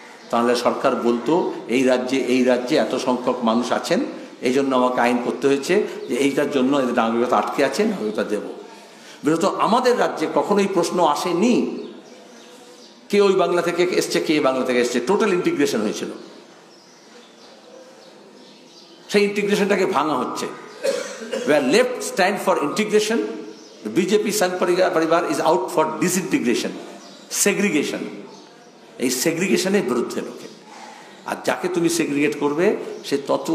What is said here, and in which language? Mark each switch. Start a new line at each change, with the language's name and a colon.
Bangla: তাহলে সরকার বলতো এই রাজ্যে এত সংখ্যক মানুষ আছেন, এই জন্য আমাকে আইন করতে হয়েছে যে এইটার জন্য এদের নাগরিকতা আটকে আছে, নাগরিকতা দেব। বিশেষত আমাদের রাজ্যে কখনোই প্রশ্ন আসেনি কে ওই বাংলা থেকে এসছে, কে এই বাংলা থেকে এসছে। টোটাল ইন্টিগ্রেশন হয়েছিল, সেই ইন্টিগ্রেশনটাকে ভাঙা হচ্ছে।
English: We are left stand for integration, the BJP Sangparigar Paribar is out for disintegration, segregation.
Bangla: এই সেগ্রিগেশনের বিরুদ্ধে লোকে, আর যাকে তুমি সেগ্রিগেট করবে সে তত